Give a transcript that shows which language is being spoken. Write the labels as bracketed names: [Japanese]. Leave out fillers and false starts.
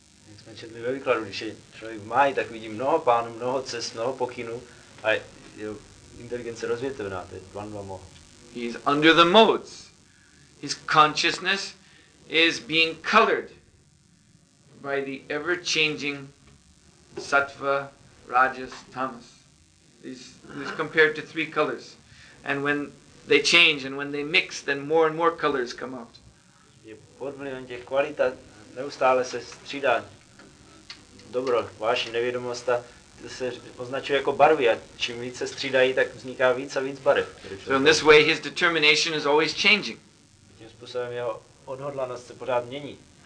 [Czech] Jak jsme četli ve výkladu, když je člověk v Maji, tak vidí mnoho pánů, mnoho cest, mnoho pokynů, a je inteligence rozvětvená, to je dvandva moha. [English] He's under the modes. His consciousness is being colored by the ever-changing sattva, rajas, tamas. These compared to three colors. And when they change and when they mix, then more and more colors come out. [Czech] Je pod vlivem těch kvalit a neustále se střídá dobro, vaše nevědomost, a to se označuje jako barvy, a čím víc se střídají, tak vzniká víc a víc barev. [English] So in this way his determination is always changing. [Czech] Tím způsobem jeho odhodlanost se pořád mění.